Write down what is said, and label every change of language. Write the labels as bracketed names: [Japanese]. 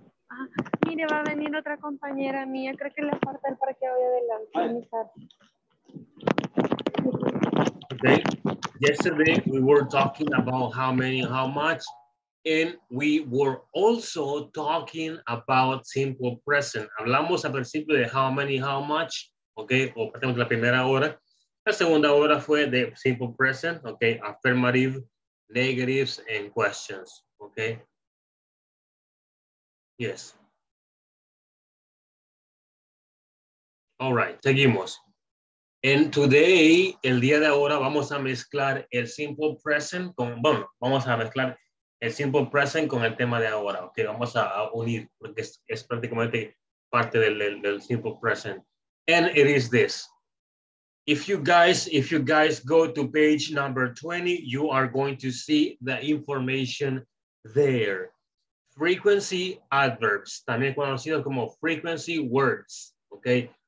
[Spanish] Ah, mire, va a venir otra compañera mía. Creo que le falta el parqueo de adelante. Okay. [English] Yesterday we were talking about how many, how much, and we were also talking about simple present. [Spanish] Hablamos al principio de [English] how many, how much, [Spanish] okay, o partimos de la primera hora. La segunda hora fue de [English] simple present, okay, affirmative, negatives, and questions, okay? Yes. All right, [Spanish] seguimos. [English] And today, [Spanish] el día de ahora, vamos a mezclar el simple present con, bueno, vamos a mezclar el simple present con el tema de ahora, okay? Vamos a unir, porque es prácticamente parte del simple present. [English] And it is this. If you guys go to page number 20, you are going to see the information there. Frequency adverbs, [Spanish] también conocidos como [English] frequency words, okay?